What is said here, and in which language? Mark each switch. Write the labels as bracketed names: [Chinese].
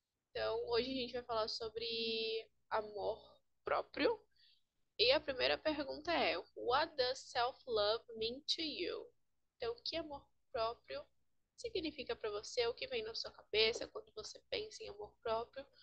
[Portuguese] Então, hoje a gente vai falar sobre amor próprio. E a primeira pergunta é: [English] What does self-love mean to you? [Portuguese] Então, o que amor próprio significa para você? O que vem na sua cabeça quando você pensa em amor próprio?